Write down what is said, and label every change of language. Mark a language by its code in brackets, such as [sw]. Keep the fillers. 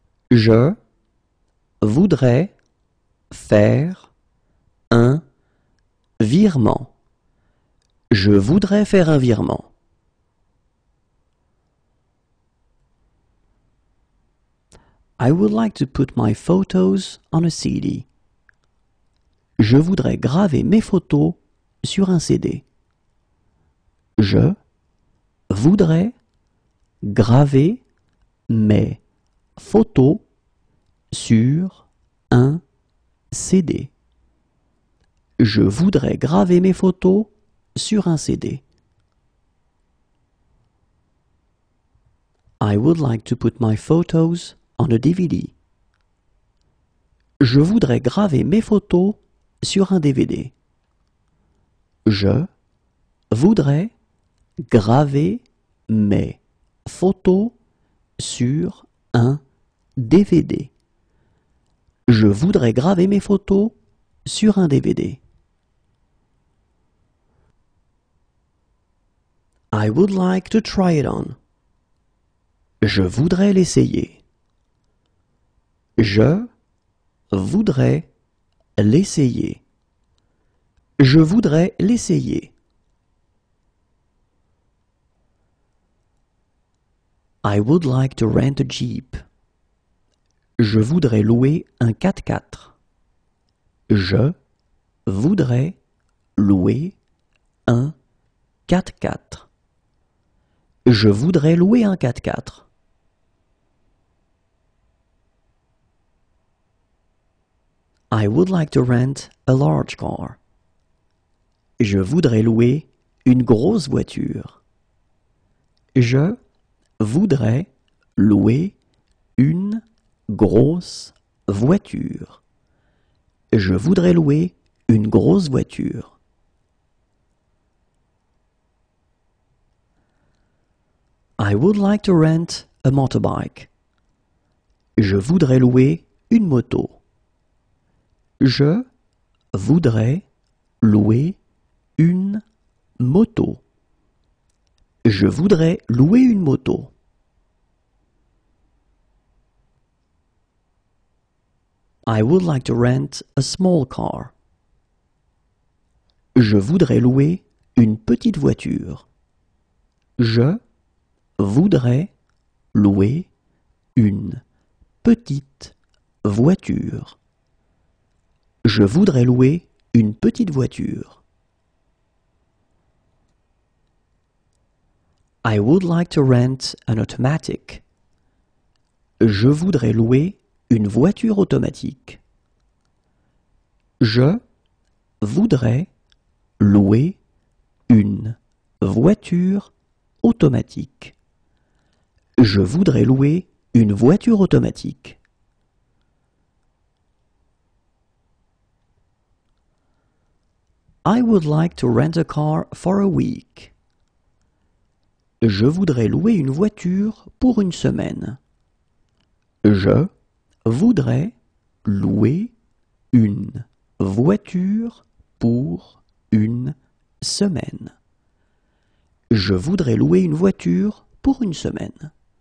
[fr] Je voudrais faire un virement. Je voudrais faire un virement. [en] I would like to put my photos on a CD. [fr] Je voudrais graver mes photos sur un CD. Je voudrais graver mes photos sur un CD. CD. Je voudrais graver mes photos sur un CD. [en] I would like to put my photos on a DVD. [fr] Je voudrais graver mes photos sur un DVD. Je voudrais graver mes photos sur un DVD. Je voudrais graver mes photos sur un DVD. [en] I would like to try it on. [fr] Je voudrais l'essayer. Je voudrais l'essayer. Je voudrais l'essayer. [en] I would like to rent a Jeep. [fr] Je voudrais louer un 4 4 Je voudrais louer un 4 4 Je voudrais louer un 4 4 [en] I would like to rent a large car. [fr] Je voudrais louer une grosse voiture. Je voudrais louer une grosse voiture. Je voudrais louer une grosse voiture. [en] I would like to rent a motorbike. [fr] Je voudrais louer une moto. Je voudrais louer une moto. Je voudrais louer une moto. Je voudrais louer une moto. [en] I would like to rent a small car. [fr] Je voudrais, Je voudrais louer une petite voiture. Je voudrais louer une petite voiture. Je voudrais louer une petite voiture. [en] I would like to rent an automatic. [fr] Je voudrais louer une voiture automatique. Je voudrais louer une voiture automatique. Je voudrais louer une voiture automatique. [en] I would like to rent a car for a week. [fr] Je voudrais louer une voiture pour une semaine. Je voudrais louer une voiture pour une semaine. Je voudrais louer une voiture pour une semaine.